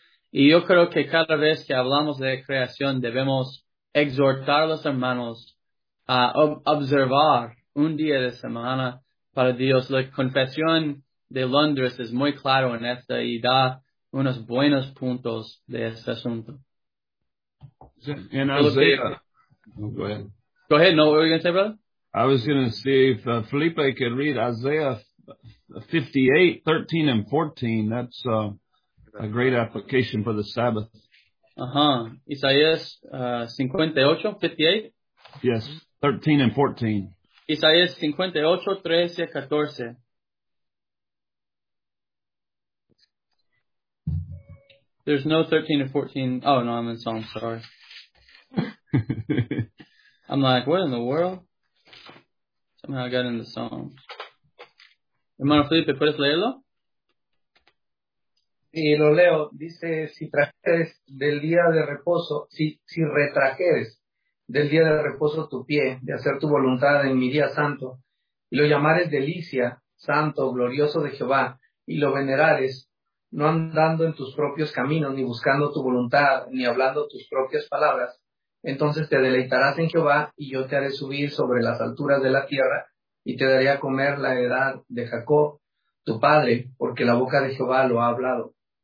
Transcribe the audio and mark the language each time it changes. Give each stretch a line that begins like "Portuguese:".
Spanish: Y yo creo que cada vez que hablamos de creación debemos exhortar a los hermanos a observar un día de semana para Dios. La confesión de Londres es muy claro en esta y da unos buenos puntos de este asunto. En Isaiah.
English: Oh, go ahead. What were you going to say, brother? I was going to see if Felipe could read Isaiah 58:13-14. That's a great application for the Sabbath.
Spanish: Uh-huh. Isaías 58:58.
English: Yes, 13 and 14.
Spanish: Isaías 58:13-14.
English: There's no 13 and 14. Oh no, I'm in Psalm. Sorry. I'm like, what in the world? Somehow I got in the Psalms.
Spanish: Hermano Felipe, ¿puedes leerlo? Sí, lo leo. Dice, si trajeres del día de reposo, si retrajeres del día de reposo tu pie, de hacer tu voluntad en mi día santo, y lo llamares delicia, santo, glorioso de Jehová, y lo venerares, no andando en tus propios caminos, ni buscando tu voluntad, ni hablando tus propias palabras, entonces te deleitarás en Jehová, y yo te haré subir sobre las alturas de la tierra, y te daré a comer la heredad de Jacob, tu padre, porque la boca de Jehová lo ha hablado.